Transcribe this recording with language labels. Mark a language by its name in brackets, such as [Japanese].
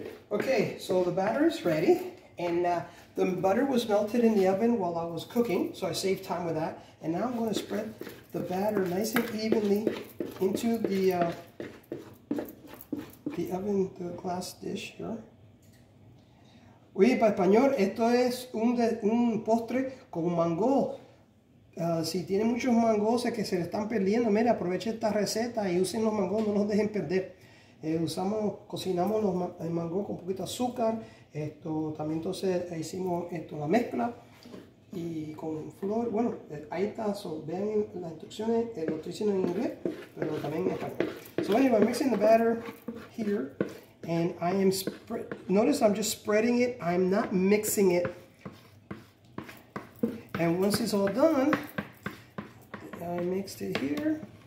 [English] Okay, so the batter is ready, and the butter was melted in the oven while I was cooking, so I saved time with that. And now I'm going to spread the batter nice and evenly into the oven, the glass dish here. [Spanish] Oye, para español, esto es un postre con mango. Si tiene muchos mangos que se le están perdiendo, mira, aproveche esta receta y usen los mangos, no los dejen perder. Cocinamos el mango con un poquito de azúcar, también entonces hicimos la mezcla y con flor, bueno, ahí está, so vean las instrucciones, lo estoy diciendo en inglés, pero también en español. [English] So anyway, I'm mixing the batter here, and I am, notice I'm just spreading it, I'm not mixing it. And once it's all done, I mixed it here.